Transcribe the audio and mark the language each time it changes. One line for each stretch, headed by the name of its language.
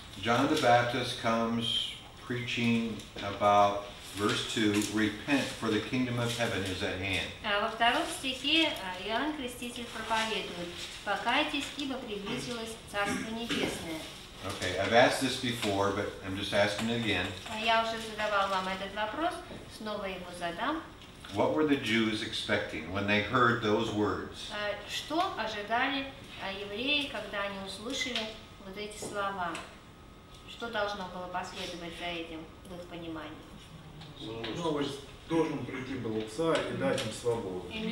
English: John the Baptist comes preaching about verse 2, repent for the kingdom of heaven is at hand.
Russian: Во втором стихе Иоанн Креститель проповедует: покайтесь, ибо приблизилось Царство Небесное.
English: Okay, I've asked this before, but I'm just asking it again.
Russian: Я уже задавал вам этот вопрос, снова его задам.
English: What were the Jews expecting when they heard those words?
Russian: Что ожидали евреи, когда они услышали вот эти слова? Что должно было последовать за этим в их понимании? Новость должен прийти был царь и дать им свободу.